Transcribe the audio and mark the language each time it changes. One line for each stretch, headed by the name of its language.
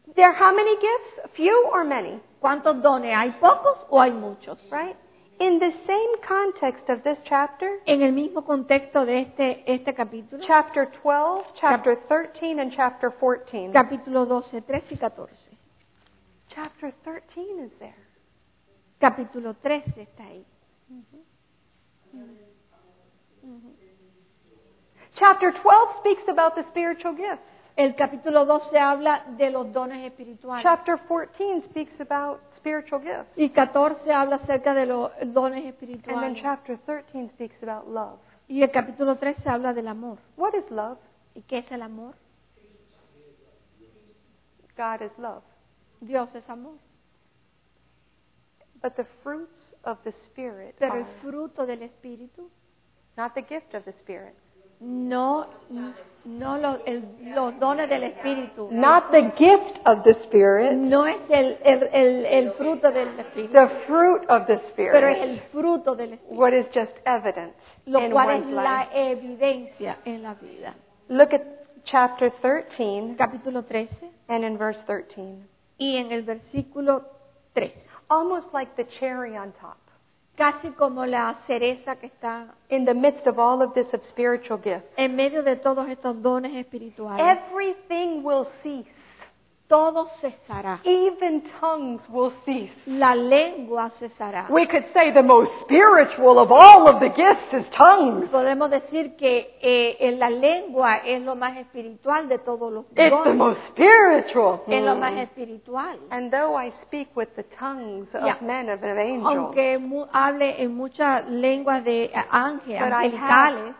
English: There are how many gifts? Few or many?
Spanish: ¿Cuántos dones? ¿Hay pocos o hay muchos?
English: Right? In the same context of this chapter,
Spanish: en el mismo contexto de este capítulo,
English: chapter 12, chapter 13, and chapter 14,
Spanish: capítulo 12, 13 y 14,
English: chapter 13 is there.
Spanish: Capítulo 13 está ahí.
English: Chapter 12 speaks about the spiritual gifts.
Spanish: El capítulo 12 habla de los dones espirituales.
English: Chapter 14 speaks about spiritual gifts.
Spanish: Y 14 habla acerca de los dones espirituales.
English: And then chapter 13 speaks about love.
Spanish: Y el capítulo 13 habla del amor.
English: What is love?
Spanish: ¿Y qué es el amor?
English: God is love.
Spanish: Dios es amor.
English: But the fruits of the Spirit.
Spanish: Pero el fruto del Espíritu.
English: Not the gift of the Spirit.
Spanish: No los dones del Espíritu.
English: Not the gift of the Spirit.
Spanish: No es el fruto del Espíritu.
English: The fruit of the Spirit.
Spanish: Pero es el fruto del Espíritu.
English: What is just evidence in
Spanish: Lo cual es la evidencia en la vida.
English: Look at chapter 13.
Spanish: Capítulo 13.
English: And in verse 13.
Spanish: Y en el versículo 3.
English: Almost like the cherry on top.
Spanish: casi como la cereza que está
English: in the midst of all of this of spiritual gifts.
Spanish: En medio de todos estos dones espirituales.
English: Everything will cease.
Spanish: Todo cesará.
English: Even tongues will cease.
Spanish: La lengua cesará.
English: We could say the most spiritual of all of the gifts is tongues.
Spanish: Podemos decir que en la lengua es lo más espiritual de todos los dones.
English: It's the most spiritual.
Spanish: Es lo más espiritual.
English: And though I speak with the tongues of men of an angel,
Spanish: aunque hable en muchas lenguas de ángeles, angelicales,